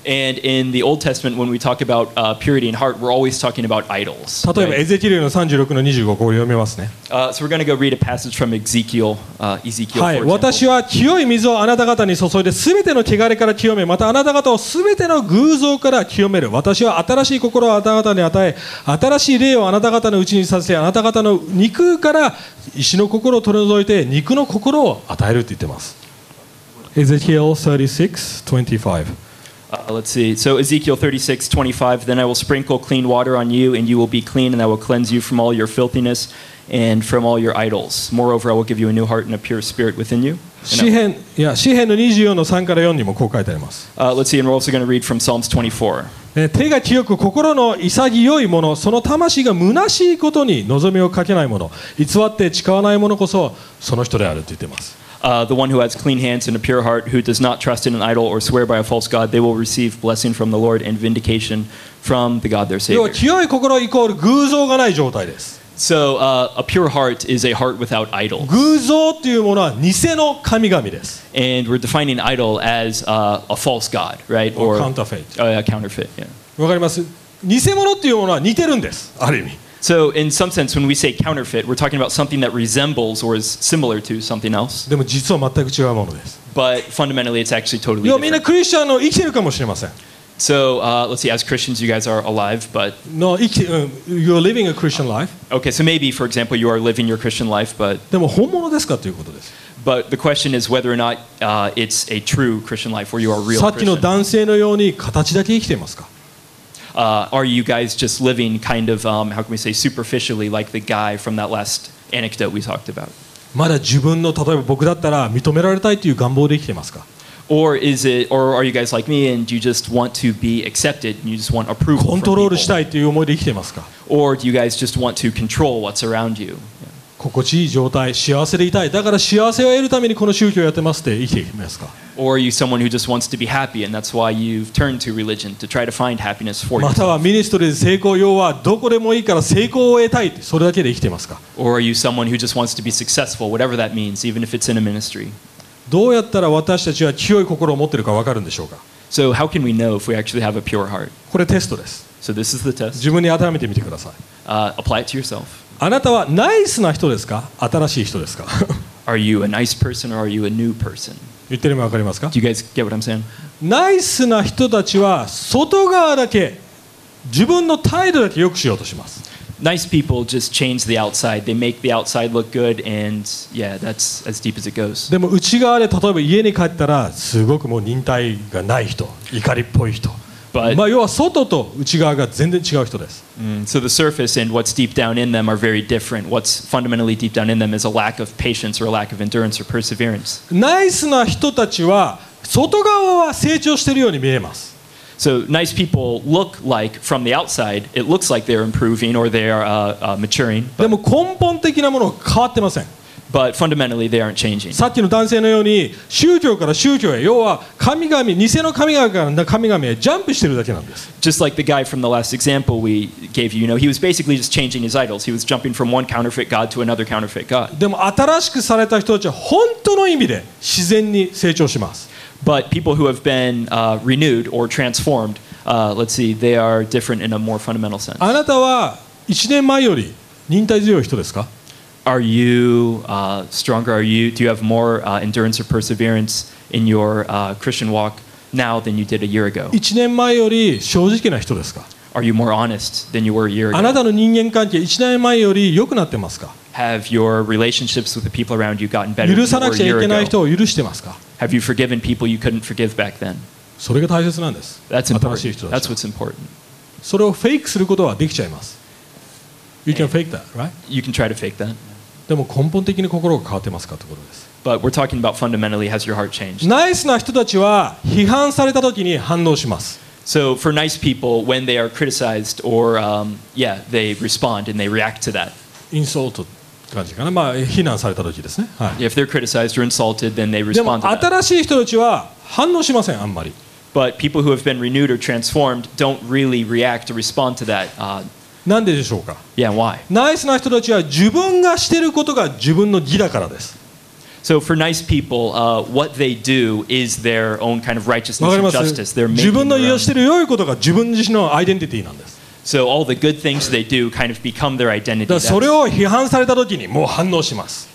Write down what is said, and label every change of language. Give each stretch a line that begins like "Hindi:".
English: And in the Old Testament when we talk about purity in heart, we're always talking about idols.
Japanese: 例えばエゼキエルの36の25をこう読みますね。
English: So we're going to go read a passage from Ezekiel, Ezekiel 4.
Japanese: はい、私は清い水をあなた方に注いで、すべての汚れから清め、またあなた方をすべての偶像から清める。私は新しい心をあなた方に与え、新しい霊をあなた方のうちにさせ、あなた方の肉から石の心を取り除いて、肉の心を与えると言ってます。
English: Ezekiel 36:25. Let's see. So Ezekiel 36:25, then I will sprinkle clean water on you and you will be clean and I will cleanse you from all your filthiness and from all your idols. Moreover, I will give you a new heart and a pure spirit within you.
Japanese: 詩編の24の3から4にもこう書いてあります。
English: Let's see, and we're also going to read from Psalms 24.
Japanese: 手が清く心の潔いもの、その魂が虚しいことに望みをかけないもの、偽って誓わないものこそその人であると言っています。
English: The one who has clean hands and a pure heart, who does not trust in an idol or swear by a false god, they will receive blessing from the Lord and vindication from the God their Savior.
Japanese: 清い心イコール偶像がない状態です。
English: So a pure heart is a heart without idol.
Japanese: 偶像というものは偽の神々です。
English: And we're defining idol as a false god, right? Or counterfeit. A counterfeit, yeah.
Japanese: わかります。偽物というものは似てるんです。ある意味。
English: So in some sense, when we say counterfeit, we're talking about something that resembles or is similar to something else.
Japanese: でも実は全く違うものです。
English: But fundamentally, it's actually totally different.
Japanese: みんなクリスチャンの生きてるかもしれません。
English: So let's see, as Christians, you guys are alive, but... No, you're living a Christian life. Okay, so maybe, for example, you are living your Christian life, but...
Japanese: でも本物ですかということです。
English: But the question is whether or not it's a true Christian life, or you are a real Christian.
Japanese: さっきの男性のように形だけ生きていますか？
English: Are you guys just living kind of, how can we say, superficially, like the guy from that last anecdote we talked about?
Japanese: まだ自分の、例えば僕だったら認められたいという願望で生きてますか？
English: Or are you guys like me and you just want to be accepted and you just want approval from people?
Japanese: コントロールしたいという思いで生きてますか？
English: Or do you guys just want to control what's around you? Yeah.
Japanese: 心地いい状態、幸せでいたい。だから幸せを得るためにこの宗教をやってますって生きていますか？
English: Or are you someone who just wants to be happy and that's why you've turned to religion to try to find happiness for yourself?
Japanese: またはミニストリーで成功、要はどこでもいいから成功を得たい、それだけで生きていますか？
English: Or are you someone who just wants to be successful, whatever that means, even if it's in a ministry?
Japanese: どうやったら私たちは清い心を持っているか分かるんでしょうか？
English: So how can we know if we actually have a pure heart?
Japanese: これテストです。
English: So this is the test.
Japanese: 自分に当てはめてみてください。
English: Apply it to yourself.
Japanese: あなたはナイスな人ですか？新しい人ですか？
English: Are you a nice person or are you a new person?
Japanese: 言ってるのわかりますか？
English: Do you guys get what I'm saying?
Japanese: ナイスな人たちは外側だけ、自分の態度だけ良くしようとします。
English: Nice people just change the outside. They make the outside look good, and yeah, that's as deep as it goes.
Japanese: でも内側で例えば家に帰ったらすごくもう忍耐がない人、怒りっぽい人。
English: But,
Japanese: まあ要は外と内側が全然違う人です。
English: So the surface and what's deep down in them are very different. What's fundamentally deep down in them is a lack of patience or a lack of endurance or perseverance.
Japanese: ナイスな人たちは外側は成長しているように見えます。
English: So nice people look like from the outside, it looks like they're improving or they're maturing.
Japanese: でも根本的なものは変わってません。
English: But fundamentally, they aren't changing.
Japanese: さっきの男性のように宗教から宗教へ、要は神々、偽の神々から神々へジャンプしてるだけなんです。
English: Just like the guy from the last example we gave you, you know, he was basically just changing his idols. He was jumping from one counterfeit god to another counterfeit god.
Japanese: でも新しくされた人たちは本当の意味で自然に成長します。
English: But people who have been renewed or transformed, let's see, they are different in a more fundamental sense.
Japanese: あなたは1年前より忍耐強い人ですか？
English: are you stronger? Are you, do you have more endurance or perseverance in your Christian walk now than you did a year ago?
Japanese: 1年前より正直な人ですか?
English: Are you more honest than you were a year ago?
Japanese: あなたの人間関係1年前より良くなってますか?
English: Have your relationships with the people around you gotten better than you were a year ago?
Japanese: 許さなくちゃいけない人を許してますか?
English: Have you forgiven people you couldn't forgive back then?
Japanese: それが大切なんです。
English: That's important. That's what's important.
Japanese: それをフェイクすることはできちゃいます。
English: You can fake that, right? You can try to fake that.
Japanese: でも根本的に心が変わってますかってことです。
English: But we're talking about fundamentally, has your heart changed?
Japanese: ナイスな人たちは批判された時に反応します。
English: So for nice people, when they are criticized or they respond and they react to that.
Japanese: Insult感じかな。まあ非難された時ですね。はい。
English: If they're criticized or insulted, then they respond.
Japanese: でも新しい人たちは反応しませんあんまり。
English: But people who have been renewed or transformed don't really react or respond to that.
Japanese: なんででしょうか?
English: Yeah, why?
Japanese: ナイスな人たちは自分がしてることが自分の義だからです。
English: So for nice people, what they do is their own kind of righteousness and justice. They're making
Japanese: 自分の良している良いことが自分自身のアイデンティティなんです。
English: So all the good things they do kind of become their identity.
Japanese: だからそれを批判された時にもう反応します。